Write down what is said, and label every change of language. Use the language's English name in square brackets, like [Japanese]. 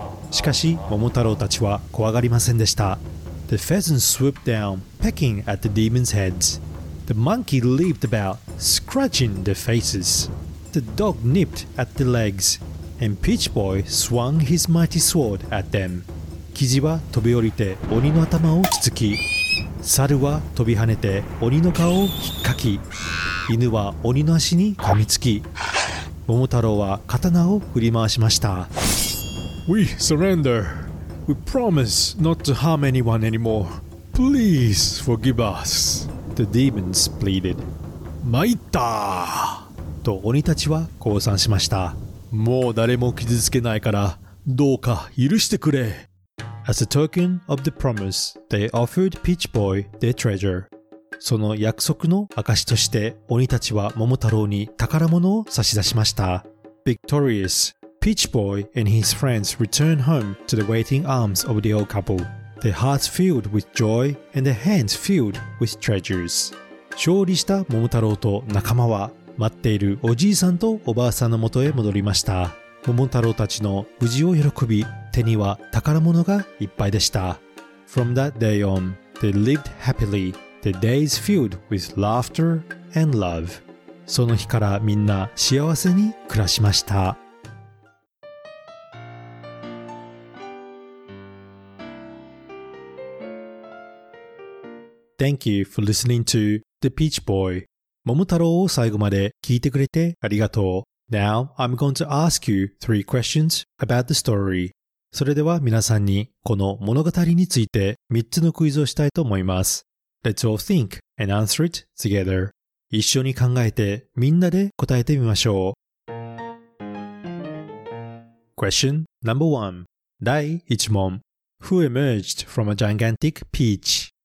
[Japanese] しかし桃太郎たちは怖がりませんでした。 [English] The pheasant swooped down, pecking at the demons' heads. The monkey leaped about, scratching their faces. The dog nipped at the legs, and Peach Boy swung his mighty sword at them. [Japanese] キジは飛び降りて鬼の頭をつつき、猿は飛び跳ねて鬼の顔を引っかき、犬は鬼の足に噛みつき、桃太郎は刀を振り回しました。 [English] We surrender! We promise not to harm anyone anymore. Please forgive us. The demons pleaded. [Japanese] まいったと鬼たちは降参しました。もう誰も傷つけないからどうか許してくれ。 [English] As a token of the promise, they offered Peach Boy their treasure. [Japanese] その約束の証として鬼たちは桃太郎に宝物を差し出しました。 [English] Victorious.Peach Boy and his friends returned home to the waiting arms of the old couple. The hearts filled with joy and the hands filled with treasures. [Japanese] 勝利した桃太郎と仲間は待っているおじいさんとおばあさんの元へ戻りました。桃太郎たちの無事を喜び、手には宝物がいっぱいでした。 [English] From that day on, they lived happily, the days filled with laughter and love. [Japanese] その日からみんな幸せに暮らしました。 [English] Thank you for listening to The Peach Boy. [Japanese] 桃太郎を最後まで聞いてくれてありがとう。 [English] Now, I'm going to ask you three questions about the story. [Japanese] それでは皆さんにこの物語について3つのクイズをしたいと思います。 [English] Let's all think and answer it together. [Japanese] 一緒に考えてみんなで答えてみましょう。 [English] Question number one. [Japanese] 第1問。 [English] Who emerged from a gigantic peach?